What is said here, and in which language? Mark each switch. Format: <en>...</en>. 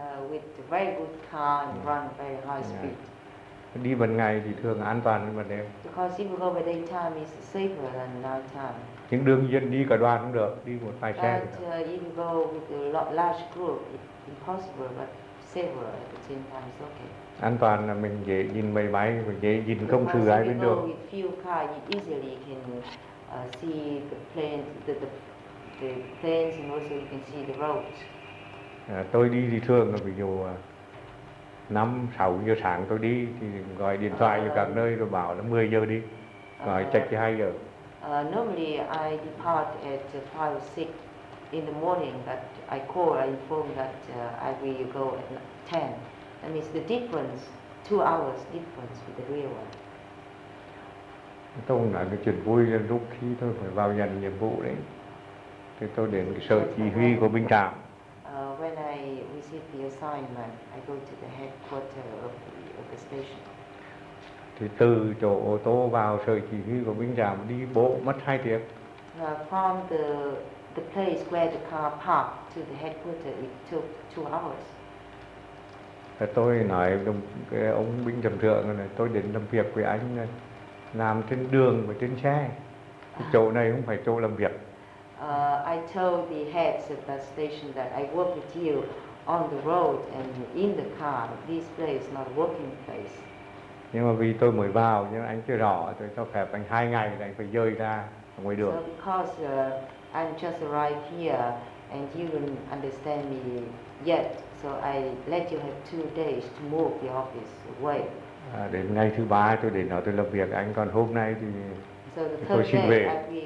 <en>With very good car and run very high speed.</en> <vi>Đi ban ngày thì thường an toàn hơn ban đêm.</vi> <en>Because if you go by daytime, it's safer than night time.</en> <vi>Những đường dân đi cả đoàn cũng được, đi một vài xe.</vi> <en>But if you go with a large group, it's impossible, but safer at the same time, it's okay.</en> <vi>An toàn là mình dễ nhìn máy bay, dễ nhìn công sự ai bên đường.</vi> <en>Because if you go with few cars, you easily can see the planes and also you can see the roads.</en> <vi>Tôi đi thì thường là ví dụ 5, 6 giờ sáng tôi đi thì gọi điện thoại cho các nơi rồi bảo là 10 giờ đi, gọi check cho 2 giờ.</vi> <en>Normally I depart at 5 or 6 in the morning, but I call, I inform that I will go at 10. That means the difference, 2 hours difference with the real one.</en> <vi>Tôi cũng nói cái chuyện vui là lúc khi tôi phải vào nhận nhiệm vụ đấy, thì tôi đến cái sở chỉ huy của binh trạm.</vi> <en>When I receive the assignment, I go to the headquarters of the station.</en> <vi>Thì từ chỗ ô tô vào sở chỉ huy của binh trạm đi bộ mất 2 tiếng.</vi> <en>From the place where the car parked to the headquarters, it took 2 hours.</en> <vi>Thì tôi nói với cái ông binh trạm trưởng này, tôi đến làm việc với anh này. Làm trên đường và trên xe, cái chỗ này không phải chỗ làm việc.</vi> <en>I told the heads of the station that I work with you on the road and in the car. This place is not a working place.</en> <vi>Nhưng mà vì tôi mới vào, nhưng anh chưa rõ, tôi cho phép anh 2 ngày là anh phải dời ra ngoài đường.</vi> <en>So because I'm just arrived here and you don't understand me yet, so I let you have 2 days to move the office away.</en> <vi>Đến ngày thứ ba tôi đến đó tôi làm việc anh, còn hôm nay thì tôi xin về.</vi>